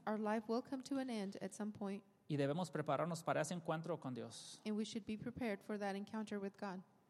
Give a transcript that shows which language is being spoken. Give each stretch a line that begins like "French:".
English: Our life will come to an end at some point.
Spanish: Y debemos prepararnos para ese encuentro con Dios.
English: And we should be prepared for that encounter with God.